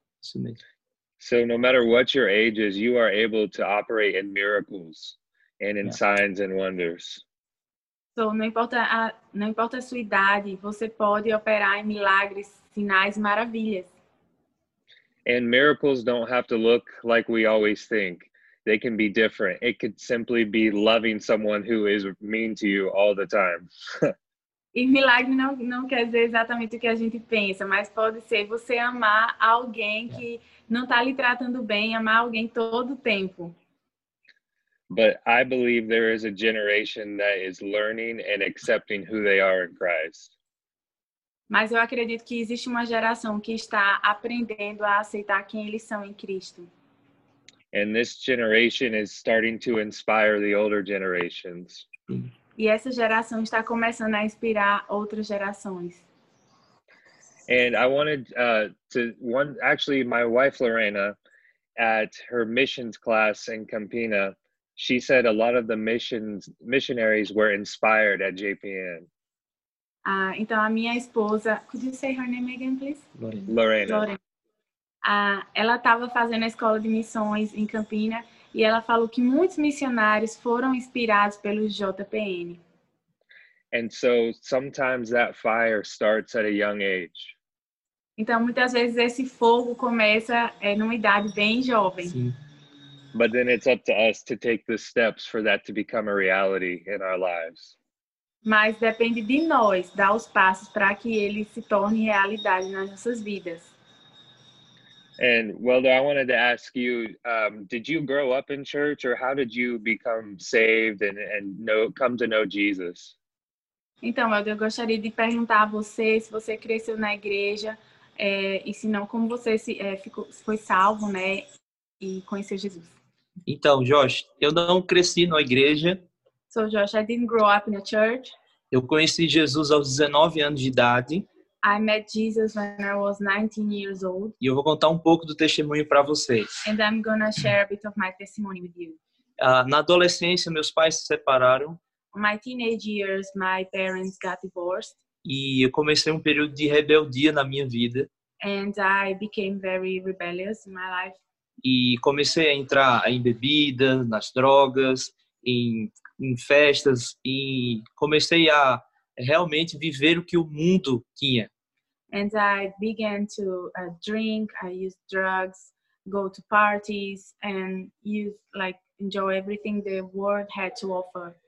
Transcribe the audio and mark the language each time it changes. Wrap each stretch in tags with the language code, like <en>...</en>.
<pt>Isso mesmo.</pt> <en>So no matter what your age is, you are able to operate in miracles. And in signs and wonders.</en> <pt>So, não importa a sua idade, você pode operar em milagres, sinais, maravilhas.</pt> <en>And miracles don't have to look like we always think. They can be different. It could simply be loving someone who is mean to you all the time.</en> <pt>E milagre não quer dizer exatamente o que a gente pensa, mas pode ser você amar alguém que não está lhe tratando bem, amar alguém todo o tempo.</pt> <en>But I believe there is a generation that is learning and accepting who they are in Christ.</en> <pt>Mas eu acredito que existe uma geração que está aprendendo a aceitar quem eles são em Cristo.</pt> <en>And this generation is starting to inspire the older generations.</en> <pt>E essa geração está começando a inspirar outras gerações.</pt> <en>And I wanted my wife Lorena at her missions class in Campina. She said a lot of the missionaries were inspired at JPN.</en> <pt>Então a minha esposa,</pt> <en>could you say her name again, please?</en> <pt>Lorena. Ela estava fazendo a escola de missões em Campina e ela falou que muitos missionários foram inspirados pelo JPN.</pt> <en>And so sometimes that fire starts at a young age.</en> <pt>Então, muitas vezes esse fogo começa numa idade bem jovem. Sim.</pt> <en>But then it's up to us to take the steps for that to become a reality in our lives.</en> <pt>Mas depende de nós dar os passos para que ele se torne realidade nas nossas vidas.</pt> <en>And Welder, I wanted to ask you, did you grow up in church or how did you become saved and come to know Jesus?</en> <pt>Então, Welder, eu gostaria de perguntar a você se você cresceu na igreja e se não, como você foi salvo, né, e conheceu Jesus. Então, Josh, eu não cresci na igreja.</pt> <en>So, Josh, I didn't grow up in a church.</en> <pt>Eu conheci Jesus aos 19 anos de idade.</pt> <en>I met Jesus when I was 19 years old.</en> <pt>E eu vou contar um pouco do testemunho para vocês.</pt> <en>And I'm going to share a bit of my testimony with you.</en> <pt>Na adolescência, meus pais se separaram.</pt> <en>My teenage years, my parents got divorced.</en> <pt>E eu comecei um período de rebeldia na minha vida.</pt> <en>And I became very rebellious in my life.</en> <pt>E comecei a entrar em bebida, nas drogas, em festas, e comecei a realmente viver o que o mundo tinha.</pt> <en>And I began to drink, I used drugs, go to parties, and enjoy everything the world had to offer.</en>